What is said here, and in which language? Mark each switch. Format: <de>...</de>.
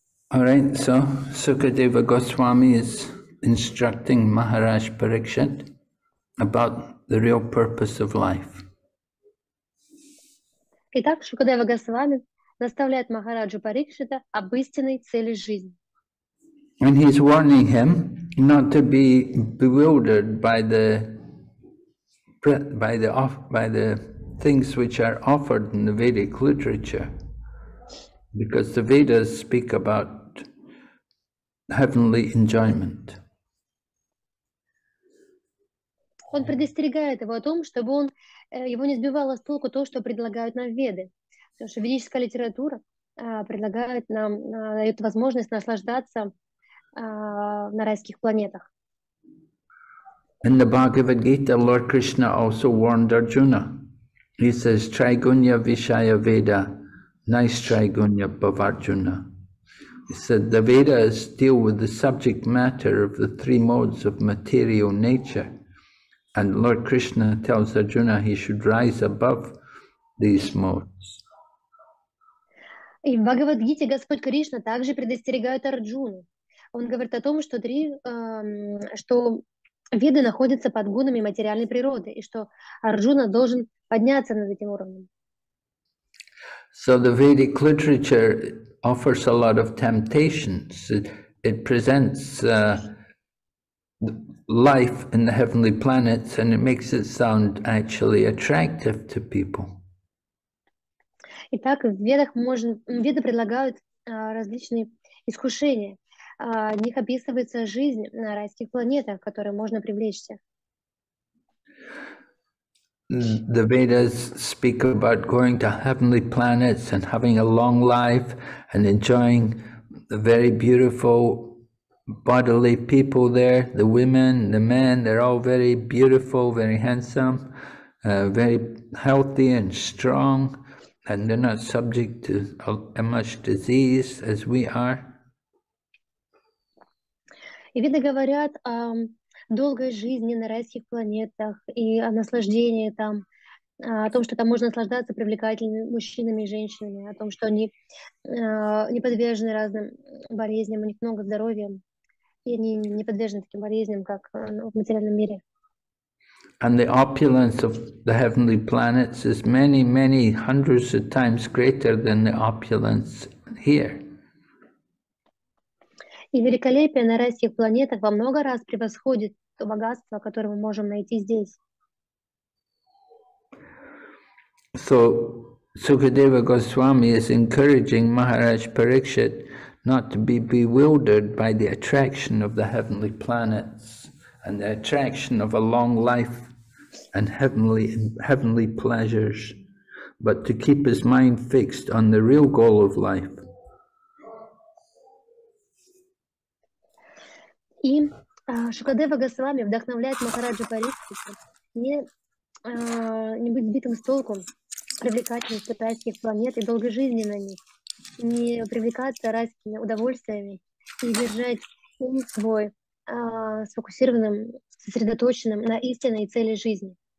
<en>All right, so Sukadeva Goswami is instructing Maharaj Parikshit about the real purpose of life.</en> <ru>Итак, Шукадева Госвами наставляет Махараджу Парикшита об истинной цели жизни.</ru> <en>And he's warning him not to be bewildered by the things which are offered in the Vedic literature, because the Vedas speak about heavenly enjoyment.</en> <ru>Он предостерегает его о том, чтобы он его не сбивало с толку то, что предлагают нам Веды, потому что ведическая литература предлагает нам дает возможность наслаждаться на райских планетах.</ru> <en>In the Bhagavad Gita, Lord Krishna also warned Arjuna. He says,</en> <sa>Trigunya Vishaya Veda, nice Trigunya Bhavarjuna.</sa> <en>He said, the Vedas deal with the subject matter of the three modes of material nature. And Lord Krishna tells Arjuna he should rise above these modes.</en> <ru>И в Бхагавад Гите Господь Кришна также предостерегает Арджуну. Он говорит о том, что что Веды находятся под гунами материальной природы, и что Арджуна должен подняться над этим уровнем.</ru> <en>So the Vedic literature offers a lot of temptations. It presents life in the heavenly planets, and it makes it sound actually attractive to people.</en> <ru>Итак, в Ведах Веды предлагают различные искушения. В них описывается жизнь на райских планетах, которые можно привлечься.</ru> <en>The Vedas speak about going to heavenly planets and having a long life and enjoying the very beautiful bodily people there. The women, the men, they're all very beautiful, very handsome, very healthy and strong, and they're not subject to as much disease as we are.</en> <ru>И Веды говорят о долгой жизни на райских планетах и о наслаждении там, о том, что там можно наслаждаться привлекательными мужчинами и женщинами, о том, что они не подвержены разным болезням, у них много здоровья, и они не подвержены таким болезням, как в материальном мире.</ru> <en>And the opulence of the heavenly planets is many, many hundreds of times greater than the opulence here.</en> <ru>И великолепие на райских планетах во много раз превосходит то богатство, которое мы можем найти здесь.</ru> <en>So Sukadeva Goswami is encouraging Maharaj Parikshit not to be bewildered by the attraction of the heavenly planets and the attraction of a long life and heavenly pleasures, but to keep his mind fixed on the real goal of life.</en> <ru>И Шукадева Госвами вдохновляет Махараджа Парикшита не быть сбитым с толку привлекательности райских планет и долгой жизни на них, не привлекаться райскими удовольствиями и держать ум свой сфокусированным, сосредоточенным на истинной цели жизни.</ru>